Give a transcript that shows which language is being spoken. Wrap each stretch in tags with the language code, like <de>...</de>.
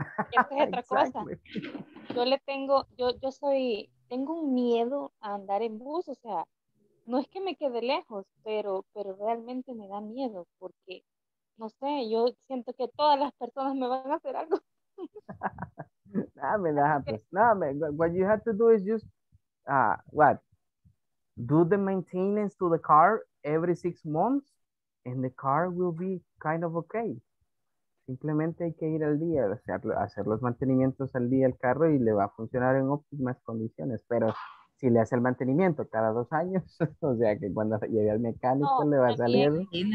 <es>Esa es otra cosa. Yo le tengo, tengo un miedo a andar en bus, o sea, no es que me quede lejos, pero realmente me da miedo, porque, no sé, yo siento que todas las personas me van a hacer algo.</es> <en>What you have to do is just, what? Do the maintenance to the car every 6 months and the car will be kind of okay.</en> <es>Simplemente hay que ir al día, hacer los mantenimientos al día al carro y le va a funcionar en óptimas condiciones. Pero si le hace el mantenimiento cada 2 años, o sea que cuando llegue al mecánico le va a salir.</es>